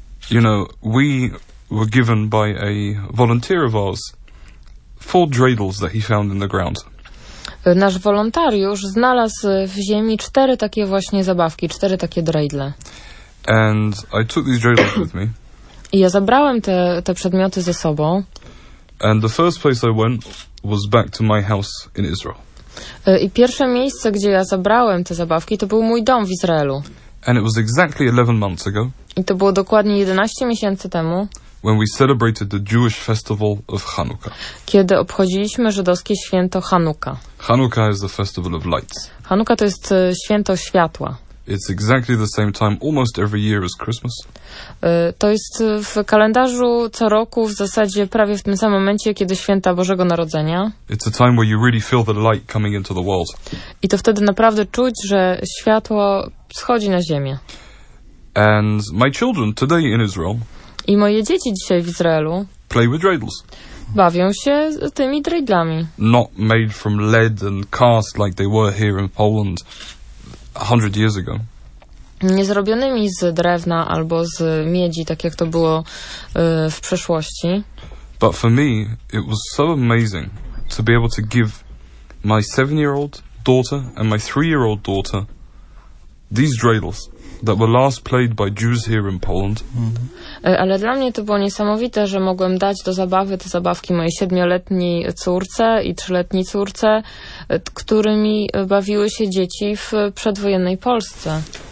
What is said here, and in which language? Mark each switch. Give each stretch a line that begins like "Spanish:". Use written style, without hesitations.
English: You know, we were given by a volunteer of ours four dreidels that he found in the ground.
Polish: Nasz wolontariusz znalazł w ziemi cztery takie właśnie zabawki, cztery takie dreidle.
English: And I took these dreidels with me.
Polish: I ja zabrałem te przedmioty ze sobą.
English: And the first place I went was back to my house in Israel.
Polish: I pierwsze miejsce, gdzie ja zabrałem te zabawki, to był mój dom w Izraelu.
English: And it was exactly 11 months ago.
Polish: I to było dokładnie 11 miesięcy temu.
English: When we celebrated the Jewish festival of Hanukkah.
Polish: Kiedy obchodziliśmy żydowskie święto Hanukkah.
English: Hanukkah is the festival of lights.
Polish: Hanukkah to jest święto światła.
English: It's exactly the same time almost every year as Christmas.
Polish: To jest w kalendarzu co roku w zasadzie prawie w tym samym momencie, kiedy święta Bożego Narodzenia.
English: It's a time where you really feel the light coming into the world.
Polish: I to wtedy naprawdę czuć, że światło schodzi na ziemię.
English: And my children today in Israel.
Polish: I moje dzieci dzisiaj w Izraelu.
English: Play with dreidels.
Polish: Bawią się tymi dreidlami.
English: Not made from lead and cast like they were here in Poland. 100 years ago.
Polish: Nie zrobionymi z drewna albo z miedzi, tak jak to było w przeszłości.
English: But for me, it was so amazing to be able to give my 7-year-old daughter and my 3-year-old daughter these dreidels that were last played by Jews here in Poland. Mm-hmm.
Polish: Ale dla mnie to było niesamowite, że mogłem dać do zabawy te zabawki mojej 7-letniej córce i 3-letniej córce, którymi bawiły się dzieci w przedwojennej Polsce.